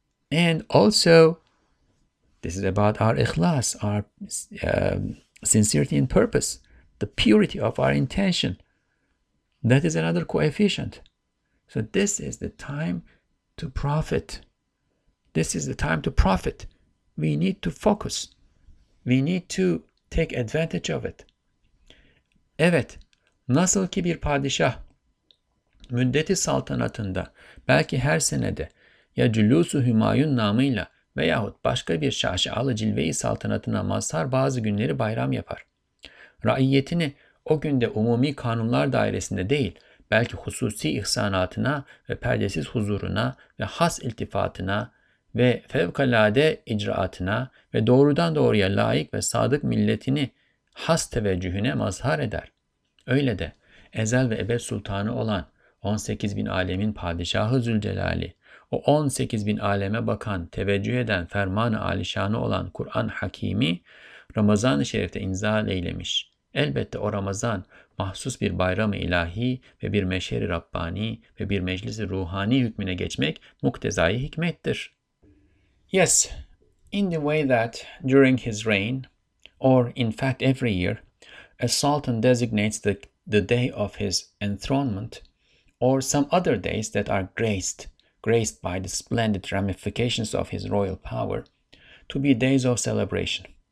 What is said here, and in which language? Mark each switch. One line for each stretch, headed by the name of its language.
English: And also, this is about our ikhlas, our sincerity and purpose, the purity of our intention. That is another coefficient. So this is the time to profit. This is the time to profit. We need to focus. We need to take advantage of it.
Turkish: Evet, nasıl ki bir padişah müddeti saltanatında belki her senede ya Cülûs-u Hümayun namıyla veyahut başka bir şaşalı cilve-i saltanatına mazhar bazı günleri bayram yapar. Raiyetini o günde umumi kanunlar dairesinde değil, belki hususi ihsanatına ve perdesiz huzuruna ve has iltifatına ve fevkalade icraatına ve doğrudan doğruya layık ve sadık milletini has teveccühüne mazhar eder. Öyle de ezel ve ebed sultanı olan 18 bin alemin padişahı Zülcelali, o 18 bin aleme bakan, teveccüh eden ferman-ı alişanı olan Kur'an Hakimi Ramazan-ı Şerif'te inzal eylemiş. Elbette o Ramazan mahsus bir bayram-ı ilahi ve bir meşher-i Rabbani ve bir meclis-i ruhani hükmüne geçmek muktezai hikmettir.
English: Yes, in the way that during his reign, or in fact every year, a sultan designates the day of his enthronement or some other days that are graced by the splendid ramifications of his royal power to be days of celebration.